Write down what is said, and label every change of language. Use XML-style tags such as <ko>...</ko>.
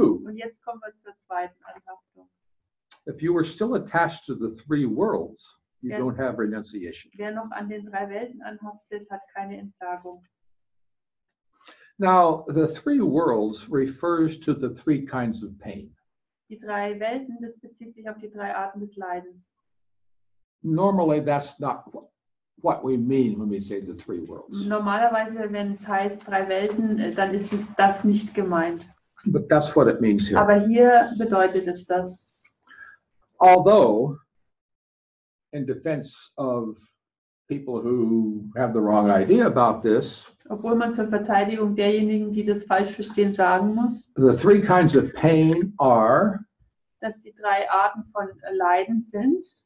<de>Und jetzt kommen wir zur zweiten Anhaftung.</de> <en>If you are still attached to the 3 worlds, you don't have renunciation.</en> <de>Wer noch an den 3 Welten anhaftet, hat keine Entsagung.</de> <en>Now, the 3 worlds refers to the 3 kinds of pain.</en> <de>Die 3 Welten, das bezieht sich auf die 3 Arten des Leidens.</de> <en>Normally, that's not what we mean when we say the 3 worlds.</en> <de>Normalerweise, wenn es heißt 3 Welten, dann ist es das nicht gemeint.</de> <en>But that's what it means here.</en> <de>Aber hier bedeutet es das.</de> <en>Although, in defense of people who have the wrong idea about this,</en> <de>obwohl man zur Verteidigung derjenigen, die das falsch verstehen, sagen muss,</de> <en>the 3 kinds of pain are,</en> <de>dass die 3 Arten von Leiden sind,</de>